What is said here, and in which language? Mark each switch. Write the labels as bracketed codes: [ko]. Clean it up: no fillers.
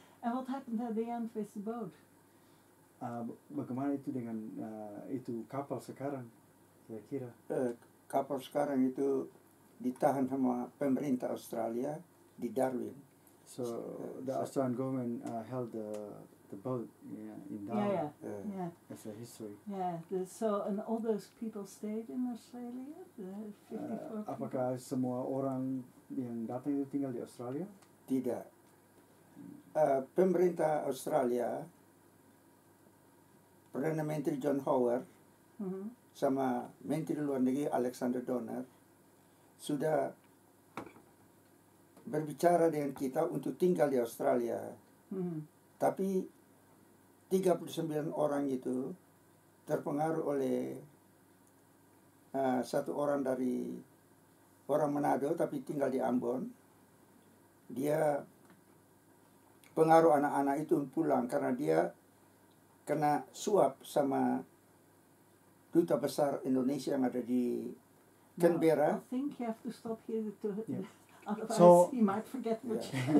[en] And what happened at the end with the boat? [id] Bagaimana itu dengan itu kapal sekarang, kira-kira? Kapal sekarang itu ditahan sama pemerintah Australia di Darwin. [en] So the Australian government held the boat in Darwin. Yeah. That's a history. Yeah. So and all those people stayed in Australia. The 54. [id] Apakah [en] people? [id] Semua orang yang datang itu tinggal di Australia? Tidak. Pemerintah Australia, Perdana Menteri John Howard, sama Menteri Luar Negeri Alexander Donner, sudah berbicara dengan kita untuk tinggal di Australia. Tapi 39 orang itu terpengaruh oleh satu orang dari orang Manado tapi tinggal di Ambon. Dia pengaruh anak-anak itu pulang karena dia kena suap sama duta besar Indonesia yang ada di Canberra. [en] I think you have to stop here to otherwise you might forget which.